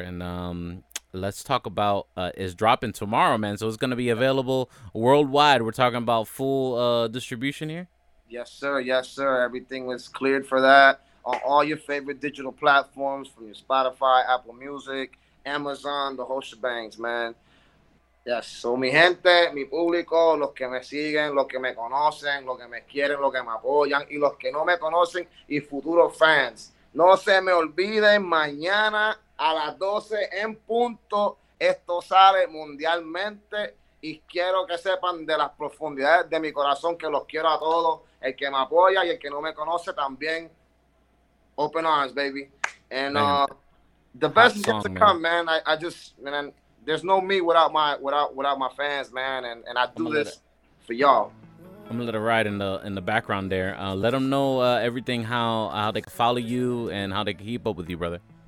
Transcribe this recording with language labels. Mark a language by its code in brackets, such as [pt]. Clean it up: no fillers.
[en] And let's talk about is dropping tomorrow, man. So it's gonna be available worldwide. We're talking about full distribution here. Yes, sir. Yes, sir. Everything was cleared for that on all your favorite digital platforms, from your Spotify, Apple Music, Amazon, the whole shebangs, man. Yes, so [es] mi gente, mi público, los que me siguen, los que me conocen, los que me quieren, los que me apoyan, y los que no me conocen, y futuros fans. No se me olviden, mañana a las 12 en punto, esto sale mundialmente, y quiero que sepan de las profundidades de mi corazón que los quiero a todos, el que me apoya y el que no me conoce también. [en] Open arms, baby. And the best is yet to come, man. I just, man. There's no me without my fans, man, and I do this for y'all. I'm gonna let it ride in the background there. Let them know everything, how they can follow you and how they can keep up with you, brother.